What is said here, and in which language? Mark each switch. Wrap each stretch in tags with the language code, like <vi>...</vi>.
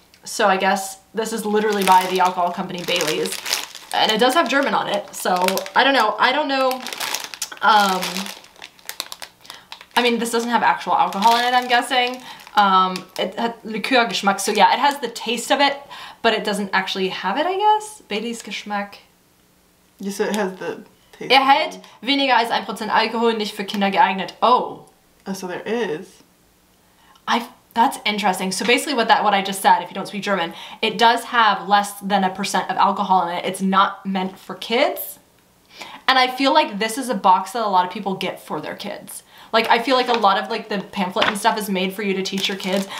<en>So I guess this is literally by the alcohol company Bailey's, and it does have German on it. So I don't know. I don't know. I mean, this doesn't have actual alcohol in it, I'm guessing. It has</en> <de>Likör Geschmack.</de> <en>So yeah, it has the taste of it, but it doesn't actually have it, I guess.</en> <de>Bailey's Geschmack.</de> <en>Yes, so it has the taste.</en> <de>Er hält weniger als 1% Alkohol, nicht für Kinder geeignet.</de> <en>Oh. So there is. That's interesting. So basically what I just said, if you don't speak German, it does have less than a percent of alcohol in it. It's not meant for kids. And I feel like this is a box that a lot of people get for their kids. Like, I feel like a lot of, like, the pamphlet and stuff is made for you to teach your kids.</en>